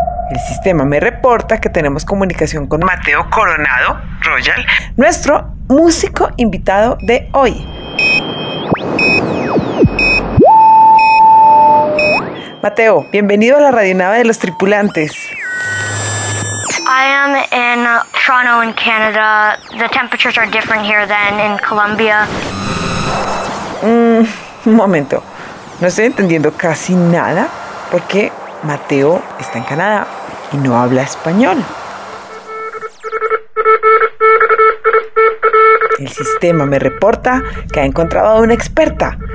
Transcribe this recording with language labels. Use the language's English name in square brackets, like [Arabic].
[Spanish] El sistema me reporta que tenemos comunicación con Mateo Coronado Royal, nuestro músico invitado de hoy. Mateo, bienvenido a la Radionave de los Tripulantes. [English] I am in Toronto in Canada. The temperatures are different here than in Colombia. [Spanish] Un momento. No estoy entendiendo casi nada porque Mateo está en Canadá y no habla español. El sistema me reporta que ha encontrado a una experta.